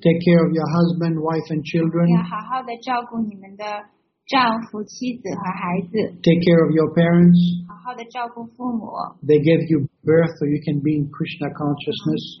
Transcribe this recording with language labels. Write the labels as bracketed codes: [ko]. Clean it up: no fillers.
[en] Take care of your husband, wife, and children. [zh] 要好好的照顾你们的丈夫、妻子和孩子。 [en] Take care of your parents. [zh] 好好的照顾父母。 [en] They gave you birth, so you can be in Krishna consciousness.